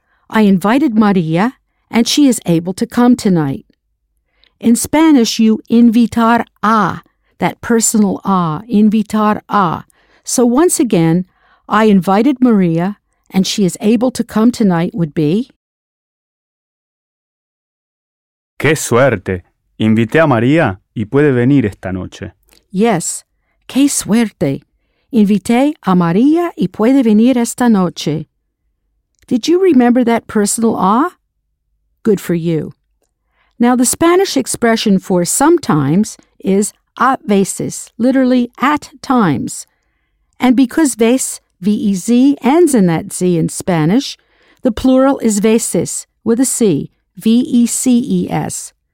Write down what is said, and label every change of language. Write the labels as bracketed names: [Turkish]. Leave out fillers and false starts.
[English] I invited Maria and she is able to come tonight. In Spanish, you invitar a, that personal a, invitar a. So once again, I invited Maria and she is able to come tonight would be? [Spanish] Qué suerte. Invité a María y puede venir esta noche. Yes. Qué suerte. Invité a María y puede venir esta noche. [English] Did you remember that personal ah? Good for you. Now, the Spanish expression for sometimes is a veces, literally at times. And because ves, V-E-Z, ends in that Z in Spanish, the plural is veces, with a C, V-E-C-E-S.